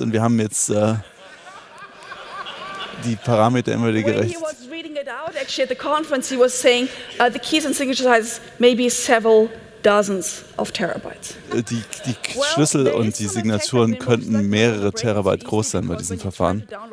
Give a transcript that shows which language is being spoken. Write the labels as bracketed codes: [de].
[de] Und wir haben jetzt die Parameter immer wieder gerecht. [en] When he was reading it out, actually at the conference, he was saying the keys and signature size maybe several dozens of terabytes. [de] Die Schlüssel und die Signaturen könnten mehrere Terabyte groß sein bei diesem Verfahren.